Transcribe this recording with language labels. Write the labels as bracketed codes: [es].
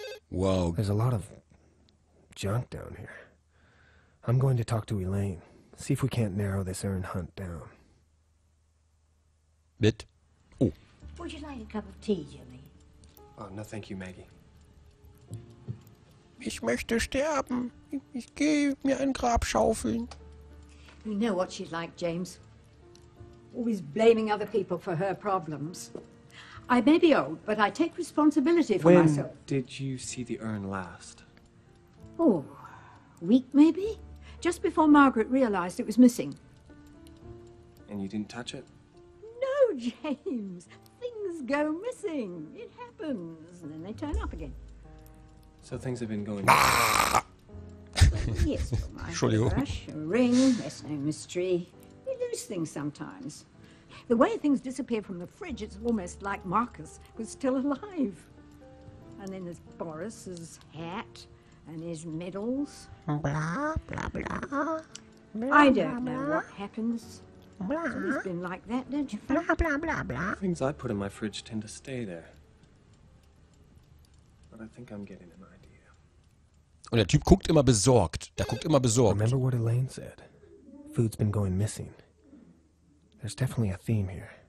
[en] Wow. There's a lot of junk down here. I'm going to talk to Elaine. See if we can't narrow this urn hunt down. Bit. Oh. Would you like a cup of tea, Jimmy? Oh, no, thank you, Maggie. [de] Ich möchte sterben. Ich gehe mir ein Grab schaufeln. [en] You know what she's like, James. Always blaming other people for her problems. I may be old, but I take responsibility for myself. When did you see the urn last? Oh, a week maybe? Just before Margaret realized it was missing. And you didn't touch it? No, James. Things go missing. It happens. And then they turn up again. So things have been going... Yes, well, my brush, a ring, there's no mystery. We lose things sometimes. The way things disappear from the fridge, it's almost like Marcus was still alive. And then there's Boris's hat and his medals. Blah, blah, blah. I don't know what happens. Blah. It's always been like that, don't you? Blah, blah, blah, blah. The things I put in my fridge tend to stay there. But I think I'm getting it. [de] Und der Typ guckt immer besorgt. Der guckt immer besorgt. [en] Remember what Elaine said? Food's been going missing. There's definitely a theme here.